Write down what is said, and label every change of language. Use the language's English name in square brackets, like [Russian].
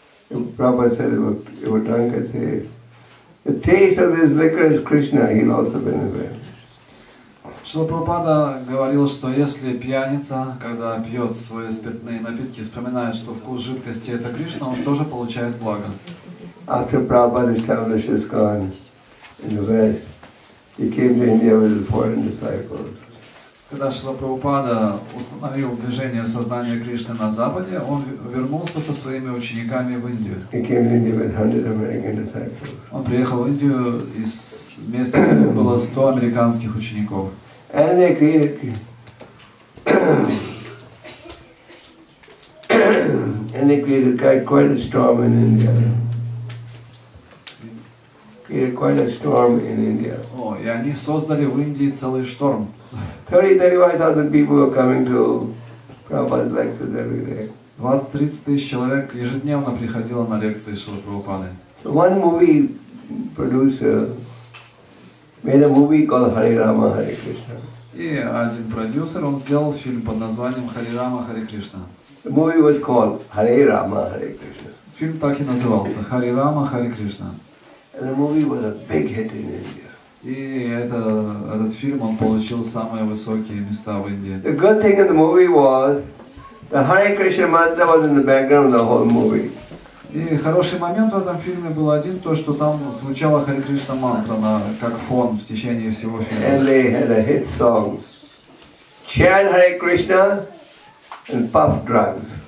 [English] Prabhupada said, if a drunkard says, the taste of this liquor is Krishna, he'll also benefit. [Russian] Шрила Прабхупада говорил, что если пьяница, когда пьет свои спиртные напитки, вспоминает, что вкус жидкости это Кришна, он тоже получает благо. [English] After Prabhupada established ISKCON in the West, he came to India with his foreign disciples. [Russian] Когда Шрила Прабхупада установил движение сознания Кришны на Западе, он вернулся со своими учениками в Индию. [English] He came to India with 100 American disciples. [Russian] Он приехал в Индию, и вместе с ним было 100 американских учеников. [English] And they created... And they created quite a storm in India. [Russian] И они создали в Индии целый шторм. [English] 30-35 people were coming to Prabhupada's lectures every day. [Russian] 20-30 тысяч человек ежедневно приходило на лекции Шрилы Прабхупады. [English] One movie producer made a movie called Hare Rama Hare Krishna. [Russian] И один продюсер он сделал фильм под названием Hare Rama Hare Krishna. [English] The movie was called Hare Rama Hare Krishna. [Russian] Фильм так и назывался Hare Rama Hare Krishna. [English] And the movie was a big hit in India. [Russian] И этот фильм он получил самые высокие места в Индии. [English] The good thing in the movie was the Hare Krishna mantra was in the background of the whole movie. [Russian] И хороший момент в этом фильме был один, то что там звучала Hare Krishna мантра на как фон в течение всего фильма. [English] And they had a hit song, Chant Hare Krishna and Puff Drugs.